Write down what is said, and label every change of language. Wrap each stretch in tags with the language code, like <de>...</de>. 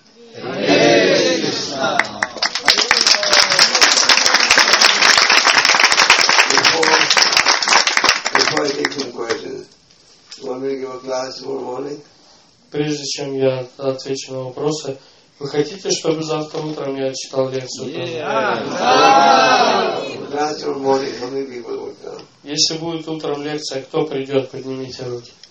<en>Before I take some questions, want me to give a class tomorrow morning?</en> <ru>Прежде чем я отвечу на вопросы, вы хотите, чтобы завтра утром я читал лекцию?</ru> <en>Class tomorrow morning, how many people will come?</en> <ru>Если будет утром лекция, кто придет, поднимите руки.</ru>